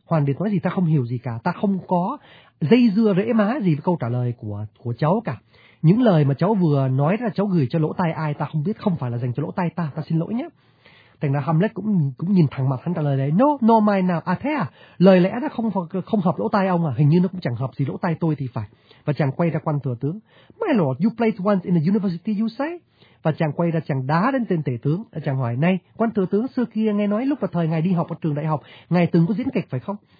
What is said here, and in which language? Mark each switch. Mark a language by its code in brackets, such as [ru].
[vi] Hoàng Liệt nói gì ta không hiểu gì cả. Ta không có dây dưa rễ má gì với câu trả lời của cháu cả. Những lời mà cháu vừa nói là cháu gửi cho lỗ tai ai ta không biết, không phải là dành cho lỗ tai ta. Ta xin lỗi nhé. Thành ra Hamlet cũng nhìn thẳng mặt hắn trả lời đấy. [en] No, no my now. [vi] À thế à? Lời lẽ nó không hợp lỗ tai ông à? Hình như nó cũng chẳng hợp gì lỗ tai tôi thì phải. Và chàng quay ra quan thừa tướng. [en] My lord, you played once in the university, you say? [vi] Và chàng quay ra chàng đá đến tên tể tướng. Chàng hỏi, này, quan thừa tướng, xưa kia nghe nói lúc vào thời ngài đi học ở trường đại học, ngài từng có diễn kịch phải không?